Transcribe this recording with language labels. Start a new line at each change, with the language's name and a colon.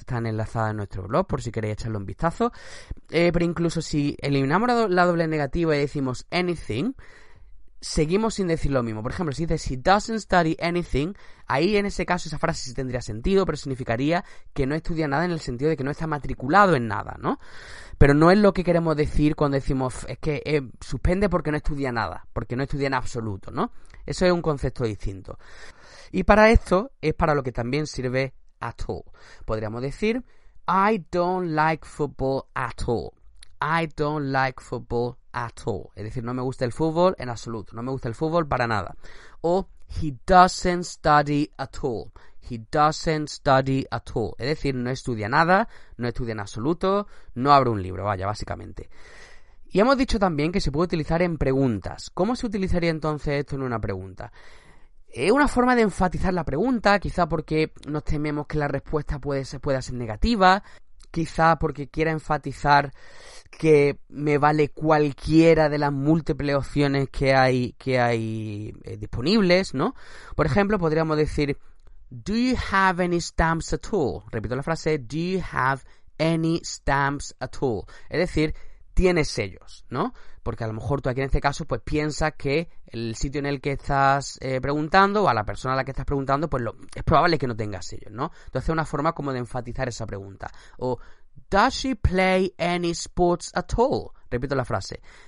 Spanish: Están enlazadas en nuestro blog, por si queréis echarle un vistazo. Pero incluso si eliminamos la doble negativa y decimos anything, seguimos sin decir lo mismo. Por ejemplo, si dices,
English: he doesn't study anything,
Spanish: ahí en ese caso esa frase sí tendría sentido, pero significaría que no estudia nada en el sentido de que no está matriculado en nada, ¿no? Pero no es lo que queremos decir cuando decimos, es que suspende porque no estudia nada, porque no estudia en absoluto, ¿no? Eso es un concepto distinto. Y para esto es para lo que también sirve at all. Podríamos decir,
English: I don't like football at all. I don't like football at all.
Spanish: Es decir, no me gusta el fútbol en absoluto. No me gusta el fútbol para nada.
English: O, he doesn't study at all. He doesn't study at all.
Spanish: Es decir, no estudia nada, no estudia en absoluto, no abre un libro, vaya, básicamente. Y hemos dicho también que se puede utilizar en preguntas. ¿Cómo se utilizaría entonces esto en una pregunta? Es una forma de enfatizar la pregunta, quizá porque nos tememos que la respuesta pueda ser negativa. Quizá porque quiera enfatizar que me vale cualquiera de las múltiples opciones que hay disponibles, ¿no? Por ejemplo, podríamos decir,
English: do you have any stamps at all?
Spanish: Repito la frase,
English: do you have any stamps at all?
Spanish: Es decir, tienes sellos, ¿no? Porque a lo mejor tú aquí en este caso pues piensas que el sitio en el que estás preguntando o a la persona a la que estás preguntando pues es probable que no tenga sellos, ¿no? Entonces es una forma como de enfatizar esa pregunta. O,
English: does she play any sports at all?
Spanish: Repito la frase.